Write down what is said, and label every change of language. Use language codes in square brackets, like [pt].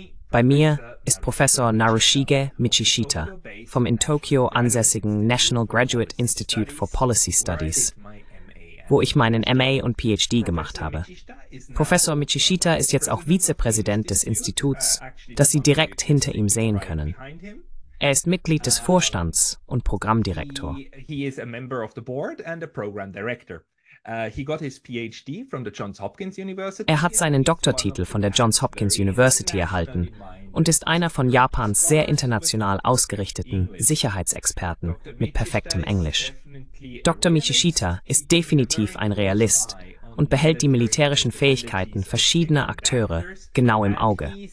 [de] Bei mir ist Professor Narushige Michishita vom in Tokio ansässigen National Graduate Institute for Policy Studies, wo ich meinen MA und PhD gemacht habe. Professor Michishita ist jetzt auch Vizepräsident des Instituts, das Sie direkt hinter ihm sehen können. Er ist Mitglied des Vorstands und Programmdirektor. [en] He is a member of the board and a program director. He got his PhD from the Johns Hopkins University. [de] Er hat seinen Doktortitel von der Johns Hopkins University erhalten und ist einer von Japans sehr international ausgerichteten Sicherheitsexperten mit perfektem Englisch. Dr. Michishita ist definitiv ein Realist und behält die militärischen Fähigkeiten verschiedener Akteure genau im Auge.